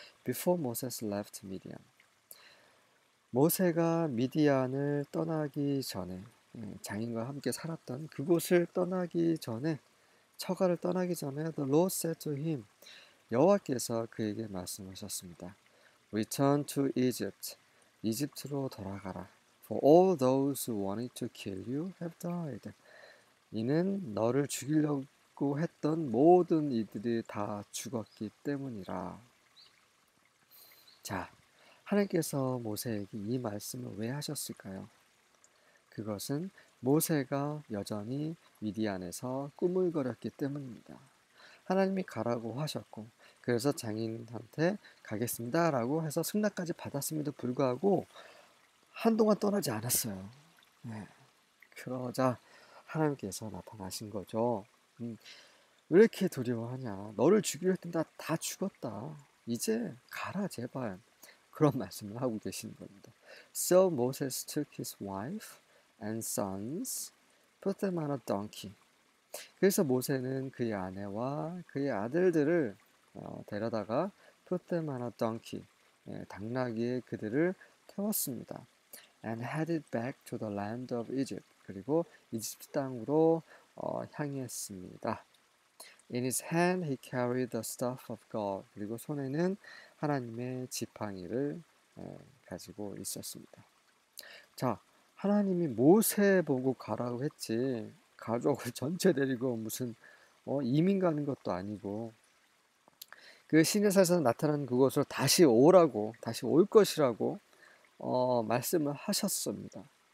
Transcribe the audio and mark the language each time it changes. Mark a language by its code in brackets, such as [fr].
[en] Before Moses left Midian. [ko] 모세가 미디안을 떠나기 전에 장인과 함께 살았던 그곳을 떠나기 전에 처가를 떠나기 전에 [en] The Lord said to him. [ko] 여호와께서 그에게 말씀하셨습니다. [en] Return to Egypt. [ko] 이집트로 돌아가라. [en] For all those who wanted to kill you have died. [ko] 이는 너를 죽이려고 했던 모든 이들이 다 죽었기 때문이라. 자, 하나님께서 모세에게 이 말씀을 왜 하셨을까요? 그것은 모세가 여전히 미디안에서 꾸물거렸기 때문입니다. 하나님이 가라고 하셨고, 그래서 장인한테 가겠습니다 라고 해서 승낙까지 받았음에도 불구하고 한동안 떠나지 않았어요. 그러자 하나님께서 나타나신 거죠. 왜 이렇게 두려워하냐? 너를 죽이려 했던데 다 죽었다. 이제 가라 제발. 그런 말씀을 하고 계신 겁니다. [en] So Moses took his wife and sons, put them on a donkey. [ko] 그래서 모세는 그의 아내와 그의 아들들을 데려다가 [en] put them on a donkey, [ko] 당나귀에 그들을 태웠습니다. [en] And headed back to the land of Egypt. [ko] 그리고 이집트 땅으로 향했습니다. [en] In his hand he carried the staff of God. [ko] 그리고 손에는 하나님의 지팡이를 가지고 있었습니다. 자, 하나님이 모세 보고 가라고 했지. 가족을 전체 데리고 무슨 이민 가는 것도 아니고. 그 시내산에서 나타난 그곳으로 다시 오라고, 다시 올 것이라고 말씀을 하셨습니다.